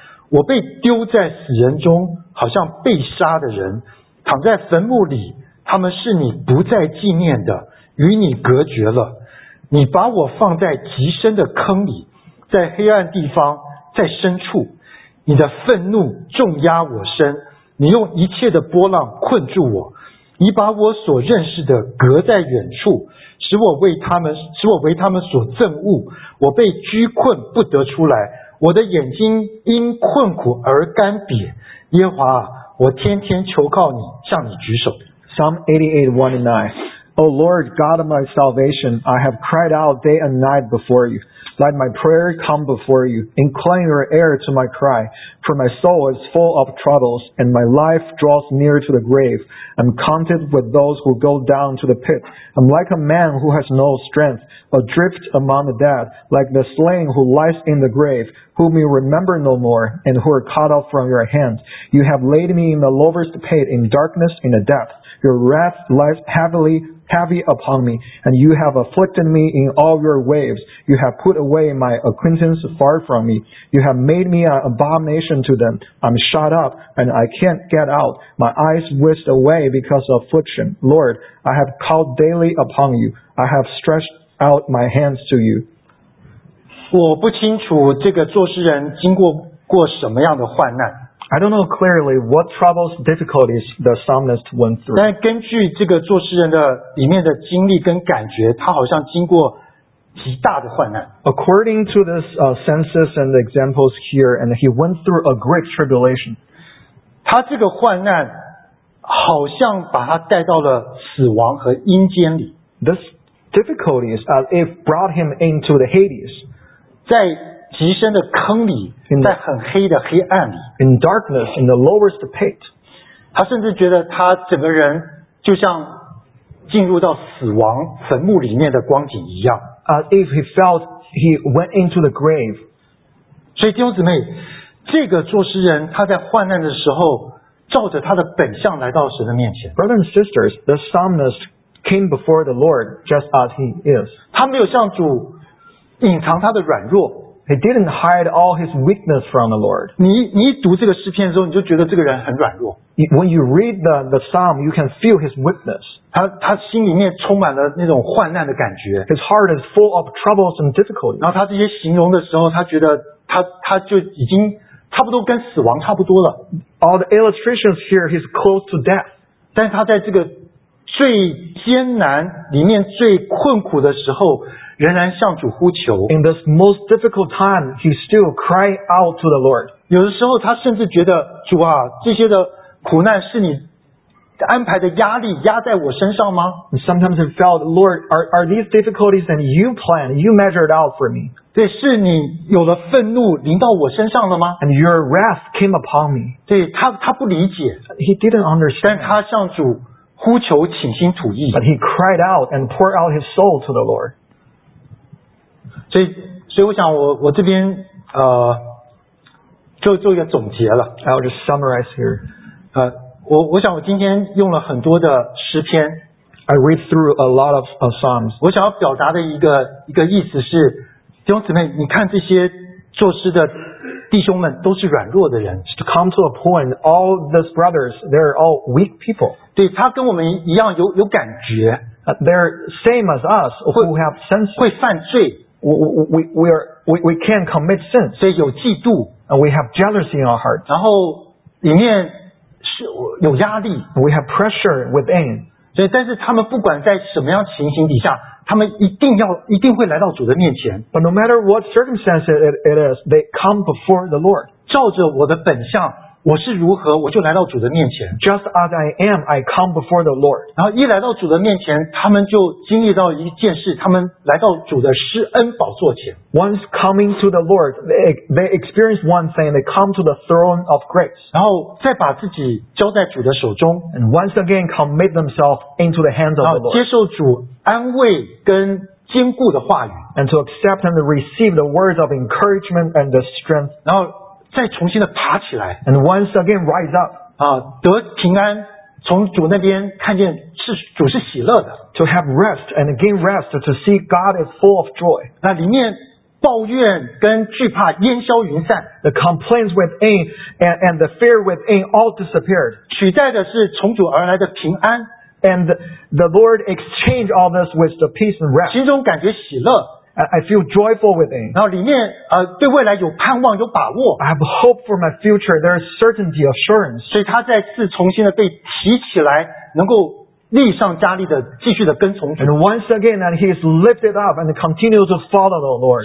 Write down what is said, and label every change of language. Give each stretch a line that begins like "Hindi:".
Chinese: 我被丢在死人中好像被杀的人躺在坟墓里他们是你不再纪念的与你隔绝了你把我放在极深的坑里在黑暗地方在深处你的愤怒重压我身你用一切的波浪困住我你把我所认识的隔在远处使我为他们所憎恶我被拘困不得出来我的眼睛因困苦而干瘪耶和华我天天求告你向你举手
English: Psalm 88:1-9 O Lord God of my salvation I have cried out day and night before youLet my prayer come before you. Incline your ear to my cry. For my soul is full of troubles, and my life draws near to the grave. I'm counted with those who go down to the pit. I'm like a man who has no strength, adrift among the dead, like the slain who lies in the grave, whom you remember no more, and who are cut off from your hand. You have laid me in the lowest pit, in darkness, in the depth. Your wrath lies heavy upon me, and you have afflicted me in all your waves. You have put away my acquaintance far from me. You have made me an abomination to them. I'm shut up, and I can't get out. My eyes waste away because of affliction. Lord, I have called daily upon you. I have stretched out my hands to you.
Chinese: 我不清楚这个作诗人经过过什么样的患难。
English: I don't know clearly what troubles, difficulties the psalmist went through.
Chinese: 但根据这个作诗人的里面的经历跟感觉，他好像经过极大的患难。
English: According to this census and the examples here, and he went through a great tribulation.
Chinese: 他这个患难好像把他带到了死亡和阴间里。
English: This difficulties as if brought him into the Hades.
Chinese: 在极深的坑里在很黑的黑暗里
English: in darkness in the lowest pit
Chinese: 他甚至觉得他整个人就像进入到死亡坟墓里面的光景一样
English: as if he felt he went into the grave
Chinese: 所以弟兄姊妹这个作诗人他在患难的时候照着他的本相来到神的面前
English: Brothers and sisters the psalmist came before the Lord just as he is
Chinese: 他没有向主隐藏他的软弱
English: He didn't hide all his weakness from the Lord.
Chinese: 你读这个诗篇的时候，你就觉得这个人很软弱。
English: When you read the psalm, you can feel his weakness.
Chinese: 他心里面充满了那种患难的感觉。
English: His heart is full of troubles and difficulties.
Chinese: 然后他这些形容的时候，他觉得他就已经差不多跟死亡差不多了。
English: All the illustrations here, he's close to death.
Chinese: 但他在这个最艰难里面最困苦的时候。仍然向主呼求
English: In this most difficult time, he still cried out to the Lord.
Chinese: 有的时候他甚至觉得主啊这些的苦难是你安排的压力压在我身上吗
English: And Sometimes he felt, Lord, are these difficulties that you planned, you measured out for me?
Chinese: 对是你有了愤怒临到我身上了吗
English: And your wrath came upon me.
Chinese: 对他不理解
English: He didn't understand.
Chinese: 但他向主呼求倾心吐意
English: But he cried out and poured out his soul to the Lord.
Chinese: 所以我想我这边做一个总结了
English: I'll just summarize here
Chinese: 我想我今天用了很多的诗篇
English: I read through a lot of psalms
Chinese: 我想要表达的一个意思是弟兄姊妹你看这些作诗的弟兄们都是软弱的人
English: to come to a point all these brothers they're all weak people
Chinese: 对他跟我们一样有感觉
English: they're same as us who have senses
Chinese: 会犯罪
English: We are we can commit sin.
Chinese: 所以有嫉妒。
English: And we have jealousy in our heart.
Chinese: 然后里面有压力。
English: And we have pressure within.
Chinese: 所以但是他们不管在什么样情形底下，他们一定会来到主的面前。
English: But no matter what circumstance it is, they come before the Lord.
Chinese: 照着我的本相，我是如何，我就来到主的面前。
English: Just as I am, I come before the Lord.
Chinese: 然后一来到主的面前，他们就经历到一件事，他们来到主的施恩宝座前。
English: Once coming to the Lord, they experience one thing, they come to the throne of grace.
Chinese: 然后再把自己交在主的手中。
English: And once again commit themselves into the hands of the Lord.
Chinese: 接受主安慰跟坚固的话语。
English: And to accept and receive the words of encouragement and the strength.
Chinese: 然后再重新的爬起来
English: ，and once again rise up，
Chinese: 啊，得平安，从主那边看见是主是喜乐的
English: ，to have rest and again rest to see God is full of joy。
Chinese: 那里面抱怨跟惧怕烟消云散
English: ，the complaints within and the fear within all disappeared。
Chinese: 取代的是从主而来的平安
English: ，and the Lord exchanged all this with the peace and rest。
Chinese: 心中感觉喜乐。
English: I feel joyful within.
Chinese: 然后里面对未来有盼望，有把握。
English: I have hope for my future. There is certainty, assurance.
Chinese: 所以他再次重新的被提起来，能够立上加力的继续的跟从主。
English: And once again, that he is lifted up and continues to follow the Lord.